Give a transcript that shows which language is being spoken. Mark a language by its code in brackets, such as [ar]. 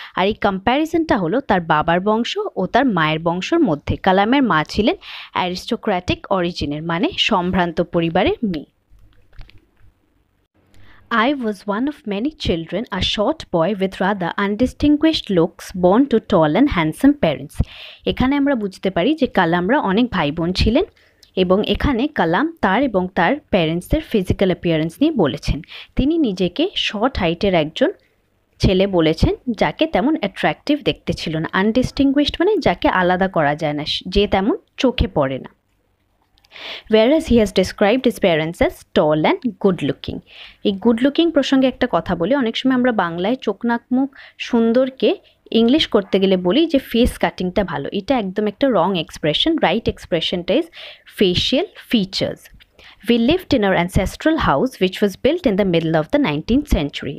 [bn] আর এই কম্প্যারিজনটা হলো তার বাবার বংশ ও তার মায়ের বংশের মধ্যে। কালামের মা ছিলেন অ্যারিস্টোক্র্যাটিক অরিজিনের, মানে সম্ভ্রান্ত পরিবারের মেয়ে। [en] I was one of many children, a short boy with rather undistinguished looks, born to tall and handsome parents. [bn] এখানে আমরা বুঝতে পারি যে কালামরা অনেক ভাই বোন ছিলেন, এবং এখানে কালাম তার এবং তার প্যারেন্টসদের ফিজিক্যাল অ্যাপিয়ারেন্স নিয়ে বলেছেন। তিনি নিজেকে শর্ট হাইটের একজন ছেলে বলেছেন, যাকে তেমন অ্যাট্রাক্টিভ দেখতে ছিল না। আনডিস্টিংগুইশড মানে যাকে আলাদা করা যায় না, যে তেমন চোখে পড়ে না। [en] Whereas he has described his parents as tall and good-looking. [bn] এই গুড-লুকিং প্রসঙ্গে একটা কথা বলি, অনেক সময় আমরা বাংলায় চোখ নাক মুখ সুন্দরকে ইংলিশ করতে গেলে বলি যে ফেস কাটিংটা ভালো। এটা একদম একটা রং expression. Right এক্সপ্রেশনটা [en] Is facial features. We lived in our ancestral house which was built in the middle of the 19th century.